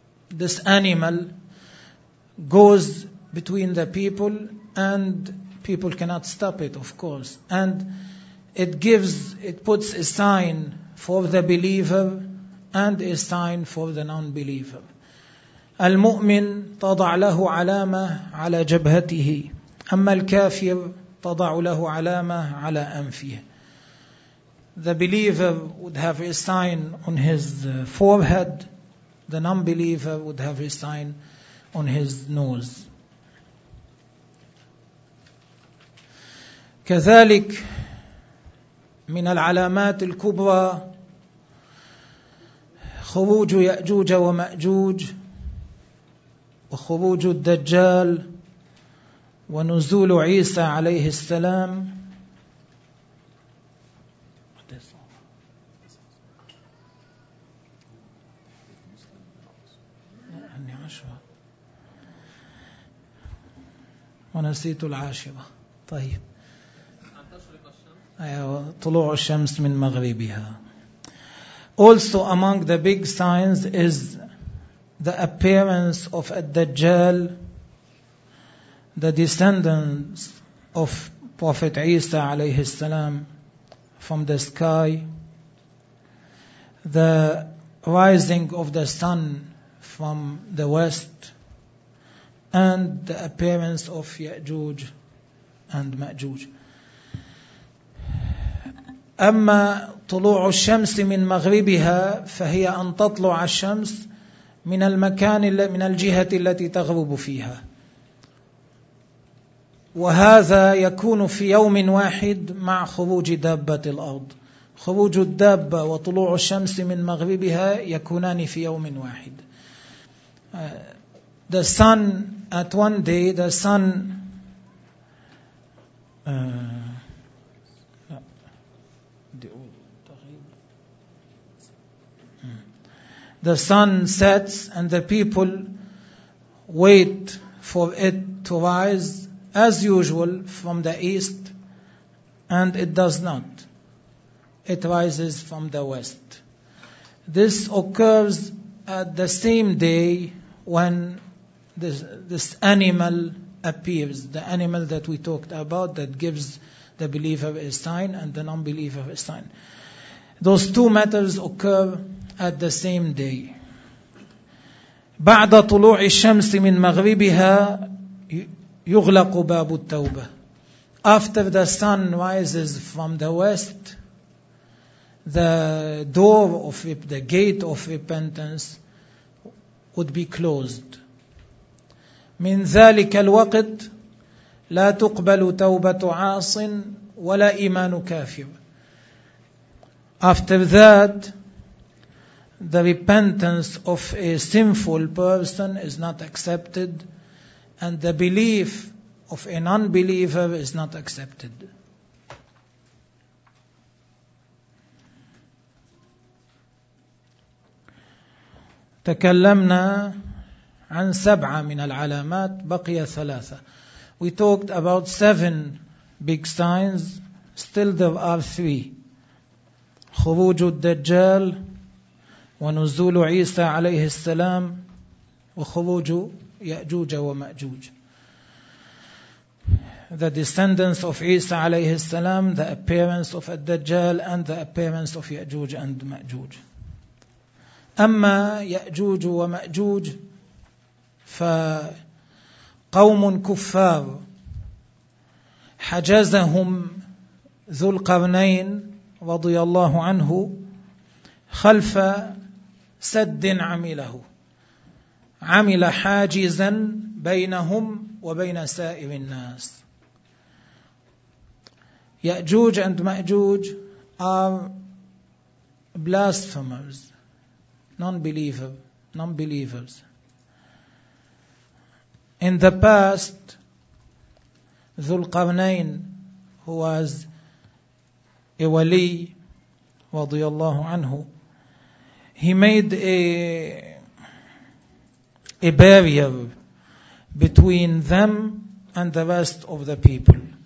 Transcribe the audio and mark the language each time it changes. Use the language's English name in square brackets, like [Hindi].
[English] This animal goes between the people and people cannot stop it, of course. And it puts a sign for the believer and a sign for the non-believer. [Arabic] المؤمن تضع له علامة على جبهته, أما الكافر تضع له علامة على أنفه. [English] The believer would have a sign on his forehead, the non-believer would have a sign on his nose. [Arabic] كذلك من العلامات الكبرى خروج يأجوج ومأجوج وخروج الدجال ونزول عيسى عليه السلام. ونسيت العاشرة. طيب, طلوع الشمس من مغربها. [English] Also among the big signs is the appearance of Ad-Dajjal, the descendants of Prophet Isa alayhi salam from the sky, the rising of the sun from the west, and the appearance of Ya'juj and Ma'juj. [Arabic] أما طلوع الشمس من مغربها فهي أن تطلع الشمس من المكان, من الجهة التي تغرب فيها, وهذا يكون في يوم واحد مع خروج دابة الأرض. خروج الدابة وطلوع الشمس من مغربها يكونان في يوم واحد. [English] The sun at one day, the sun the sun sets and the people wait for it to rise as usual from the east, and it does not. It rises from the west. This occurs at the same day when this animal appears, the animal that we talked about that gives the believer a sign and the non-believer a sign. Those two matters occur at the same day. [Arabic] بعد طلوع الشمس من مغربها يغلق باب التوبة. [English] After the sun rises from the west, the door of the gate of repentance would be closed. [Arabic] من ذلك الوقت لا تقبل توبة عاص ولا إيمان كافر. [English] After that, the repentance of a sinful person is not accepted, and the belief of an unbeliever is not accepted. [Arabic] تكلمنا عن سبعة من العلامات, بقي ثلاثة. [English] We talked about seven big signs, still there are three. [Arabic] خروج الدجال ونزول عيسى عليه السلام وخروج يأجوج ومأجوج. [English] The descendants of Isa [Arabic] عليه السلام, [English] the appearance of الدجال, and the appearance of يأجوج and مأجوج. [Arabic] أما يأجوج ومأجوج فقوم كفار حجزهم ذو القرنين رضي الله عنه خلف سد عمله عمل حاجزا بينهم وبين سائر الناس. [English] يأجوج and مأجوج are blasphemers, non-believers. In the past, Dhulqarnain, who was a wali, [Arabic] رضي الله عنه, [English] he made a barrier between them and the rest of the people.